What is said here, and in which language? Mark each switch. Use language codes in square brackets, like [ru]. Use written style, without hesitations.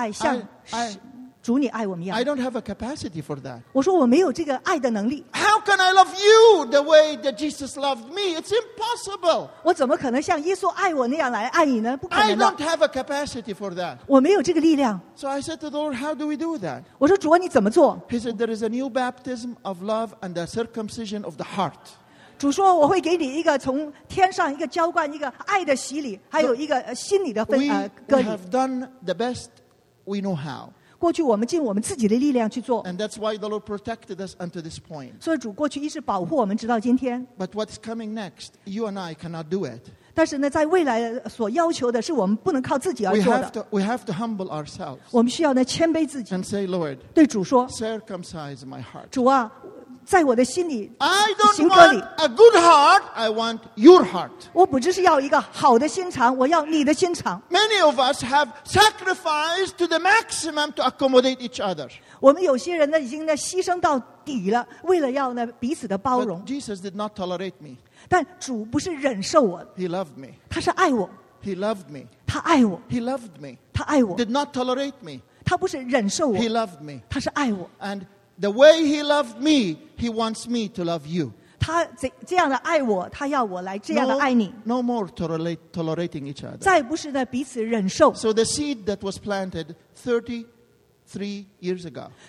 [zh] 像你所说的要彼此的相爱，像主你爱我们一样。 [en] I don't have a capacity for that. [zh] 我说我没有这个爱的能力。 [en] How can I love you the way that Jesus loved me? It's impossible. [zh] 我怎么可能像耶稣爱我那样来爱你呢？不可能的。 [en] I don't have a capacity for that. [zh] 我没有这个力量。 [en] So I said to the Lord, how do we do that? [zh] 我说主啊，你怎么做？ [en] He said, there is a new baptism of love and a circumcision of the heart. [zh] 主说我会给你一个从天上一个浇灌，一个爱的洗礼，还有一个心里的分割礼。 [en] We have done the best we know how. [zh] 过去我们尽我们自己的力量去做。 [en] And that's why the Lord protected us until this point. [zh] 所以主过去一直保护我们直到今天。 [en] But what's coming next, you and I cannot do it. [zh] 但是呢，在未来所要求的是我们不能靠自己而做的。 [en] We have to humble ourselves. [zh] 我们需要呢谦卑自己。 [en] And say, Lord, [zh] 对主说, [en] circumcise my heart. [zh] 主啊, [en] I don't want a good heart, I want your heart. [zh] 我不只是要一个好的心肠，我要你的心肠。 [en] Many of us have sacrificed to the maximum to accommodate each other. [zh] 我们有些人呢，已经牺牲到底了，为了要彼此的包容。 [en] But Jesus did not tolerate me. [zh] 但主不是忍受我。 [en] He loved me. [zh] 他是爱我。 [en] He loved me. [zh] 他爱我。 [en] He loved me. [zh] 他爱我。 [en] Did not tolerate me. [zh] 他不是忍受我。 [en] He loved me. [zh] 他是爱我。 [en] And the way he loved me, he wants me to love you. [zh] 他这样的爱我，他要我来这样的爱你。 [en] No more tolerating each other. [zh] 再不是彼此忍受。 [en] So the seed that was planted 33 years ago.